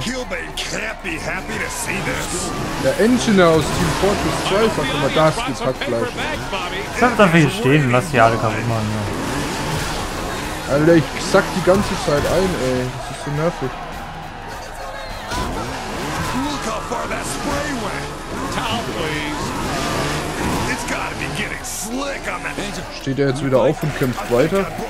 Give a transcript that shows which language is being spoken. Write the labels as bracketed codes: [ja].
[de] Der Engineer aus Team Fortress 2 sagt immer, das gibt Hackfleisch. Ich sag dafür stehen, was hier alle kaputt machen. Ja. Alter, ich sack die ganze Zeit ein, ey. Das ist so nervig. [en] Look how far that spray went. Towel, please. It's gotta be getting slick on that. [de] Steht er jetzt wieder auf und kämpft weiter?